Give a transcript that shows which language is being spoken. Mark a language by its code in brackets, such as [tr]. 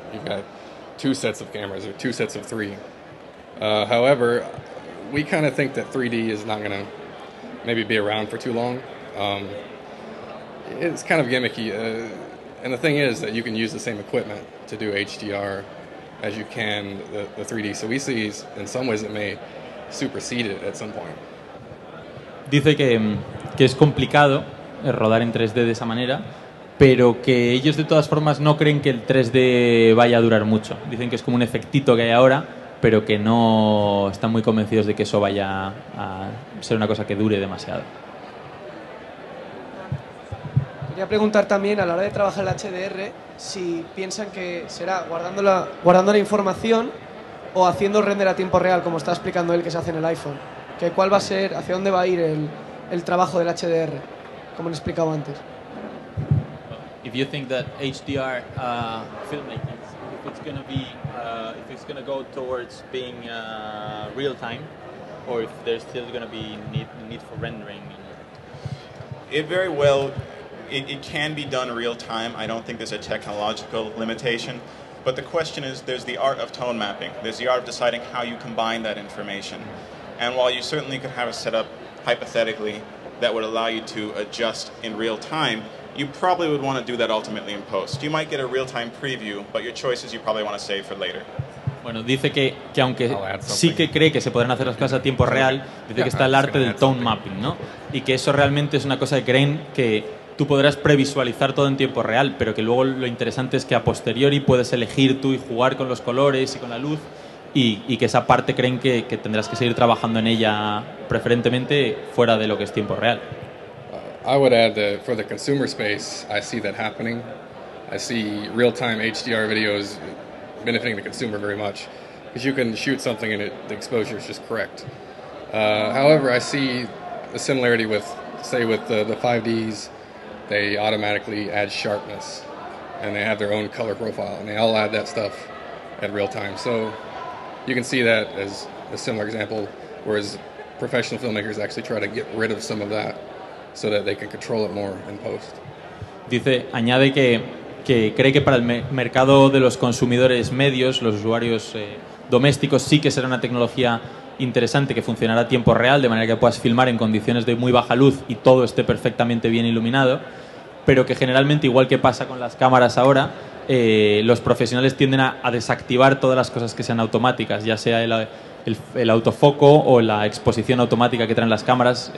[en] You've got two sets of cameras, or two sets of three. However, we kind of think that 3D is not going to maybe be around for too long. It's kind of gimmicky. And the thing is that you can use the same equipment to do HDR as you can the 3D. So we see, in some ways, it may supersede it at some point. [es] Dice que es complicado rodar en 3D de esa manera, pero que ellos de todas formas no creen que el 3D vaya a durar mucho. Dicen que es como un efectito que hay ahora, pero que no están muy convencidos de que eso vaya a ser una cosa que dure demasiado. Quería preguntar también, a la hora de trabajar el HDR, si piensan que será guardando la información o haciendo render a tiempo real, como está explicando él que se hace en el iPhone. Que cuál va a ser, hacia dónde va a ir el trabajo del HDR, como les explicaba antes. [en] If you think that HDR filmmaking, if it's going to be, if it's going to go towards being real time, or if there's still going to be need for rendering, it very well, it can be done real time. I don't think there's a technological limitation, but the question is, there's the art of tone mapping. There's the art of deciding how you combine that information, and while you certainly could have a setup hypothetically that would allow you to adjust in real time, you probably would want to do that ultimately in post. You might get a real-time preview, but your choices you probably want to save for later. [es] Bueno, dice que aunque sí que cree que se podrán hacer las cosas a tiempo real, dice que está el arte del tone mapping, ¿no? Y que eso realmente es una cosa que creen que tú podrás previsualizar todo en tiempo real, pero que luego lo interesante es que a posteriori puedes elegir tú y jugar con los colores y con la luz, y que esa parte creen que tendrás que seguir trabajando en ella preferentemente fuera de lo que es tiempo real. [en] I would add that for the consumer space, I see that happening. I see real-time HDR videos benefiting the consumer very much, because you can shoot something and the exposure is just correct. However, I see a similarity with, say, with the 5Ds. They automatically add sharpness, and they have their own color profile, and they all add that stuff at real-time. So you can see that as a similar example, whereas professional filmmakers actually try to get rid of some of that so that they can control it more in post. [es] Dice, añade que cree que para el mercado de los consumidores medios, los usuarios domésticos, sí que será una tecnología interesante que funcionará a tiempo real, de manera que puedas filmar en condiciones de muy baja luz y todo esté perfectamente bien iluminado, pero que generalmente, igual que pasa con las cámaras ahora, los profesionales tienden a desactivar todas las cosas que sean automáticas, ya sea el autofoco o la exposición automática que traen las cámaras.